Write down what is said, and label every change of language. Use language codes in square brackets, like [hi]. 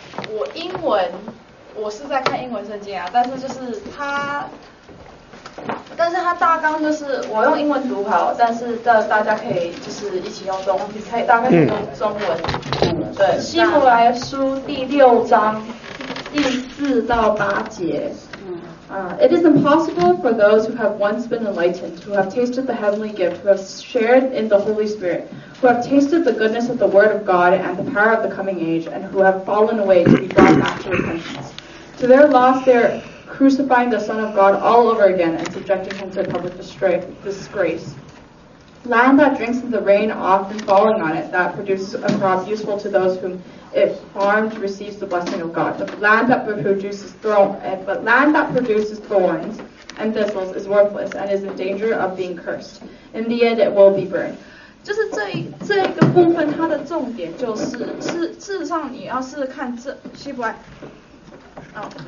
[zh] 我英文，我是在看英文圣经啊，但是它大纲就是我用英文读好，但是大家可以就是一起用中文，可以大概可以用中文。嗯，对，希伯来书第六章第四到八节。 [en] It is impossible for those who have once been enlightened, who have tasted the heavenly gift, who have shared in the Holy Spirit, who have tasted the goodness of the Word of God and the power of the coming age, and who have fallen away to be brought back to repentance. To their loss, they are crucifying the Son of God all over again and subjecting him to public disgrace. Land that drinks of the rain often falling on it, that produces a crop useful to those whom it farms, receives the blessing of God. But land that produces thorns and thistles is worthless and is in danger of being cursed. In the end, it will be burned. [zh] 就是这一个部分，它的重点就是，事实上你要是看这希伯来，哦。